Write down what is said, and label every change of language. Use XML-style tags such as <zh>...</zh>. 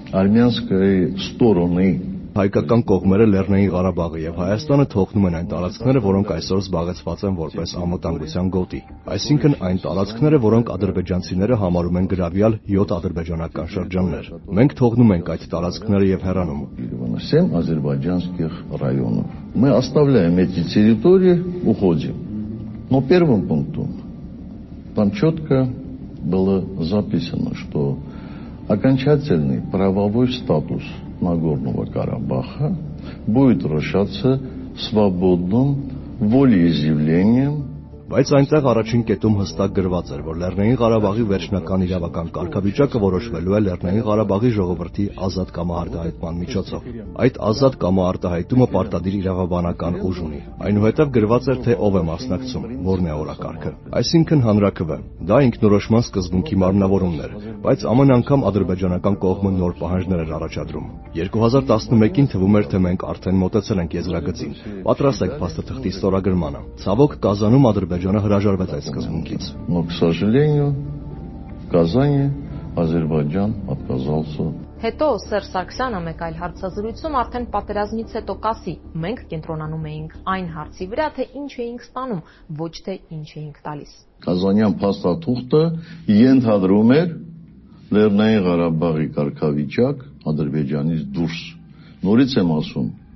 <ru>Արմյանսկի ստորոնի</ru> <hy>հայկական կողմերը Լեռնային Ղարաբաղը եւ Հայաստանը թողնում են այն տարածքները, որոնք այսօր զբաղեցված են որպես անվտանգության գոտի։ Այսինքն այն տարածքները, որոնք ադրբեջանցիները համարում են գրավյալ 7 ադրբեջանական շրջաններ։ Մենք թողնում ենք այդ տարածքները եւ հեռանում։</hy> <ru>Սեմ ադրբեջանսկիх районов. Мы оставляем эти территории, уходим. Но первым пунктом там чётко было записано, что окончательный правовой статус Нагорного Карабаха будет решаться свободным волеизъявлением.</ru> <hy>Բայց այնտեղ առաջին կետում հստակ գրված էր, որ Լեռնային Ղարաբաղի վերջնական իրավական կարգավիճակը որոշվելու է Լեռնային Ղարաբաղի ժողովրդի ազատ կամարտահայտման միջոցով։ Այդ ազատ կամարտահայտումը պարտադիր իրավաբանական ուժ ունի։ Այնուհետև գրված էր, թե ով է մասնակցում, որն է օրակարգը, այսինքն հանրաքվը։ Դա ինքնորոշման սկզբունքի մարմնավորումն էր, բայց ամեն անգամ ադրբեջանական կողմը նոր պահանջներ էր առաջադրում։ 2011-ին թվում էր, թե մենք արդեն մոտեցել ենք եզրակացին, պատրաստ ենք փաստաթղթի ստորագրմանը։ Ցավոք, Կազանում Ադրբեջանը հրաժարվեց այս սկզբունքից։</hy> <ru>Но, к сожалению, в Казани Азербайджан отказался.</ru> <hy>Հետո Սերժ Սարգսյանը մեկ այլ հարցազրույցում արդեն պատերազմից հետո ասի. Մենք կենտրոնանում էինք այն հարցի վրա, թե ինչ էինք ստանում, ոչ թե ինչ էինք տալիս։ Կազանյան փաստաթուղթը ընդհանրում էր Լեռնային Ղարաբաղի կարգավիճակ Ադրբեջանից դուրս։ Նորից եմ ասում.</hy>